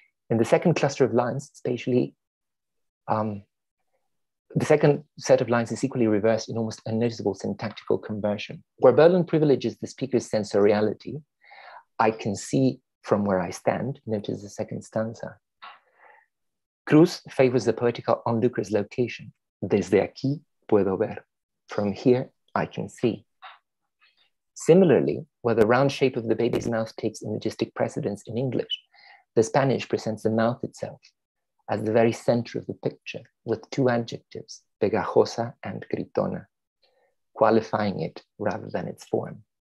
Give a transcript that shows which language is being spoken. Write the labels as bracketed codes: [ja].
[en] In the second cluster of lines, spatially, the second set of lines is equally reversed in almost unnoticeable syntactical conversion. Where Boland privileges the speaker's sensoriality, I can see from where I stand, notice the second stanza. Cruz favors the poetical onlooker's location. [es] Desde aquí puedo ver. [en] From here, I can see. Similarly, where the round shape of the baby's mouth takes imagistic precedence in English, the Spanish presents the mouth itself as the very center of the picture with two adjectives, pegajosa and gritona, qualifying it rather than its form.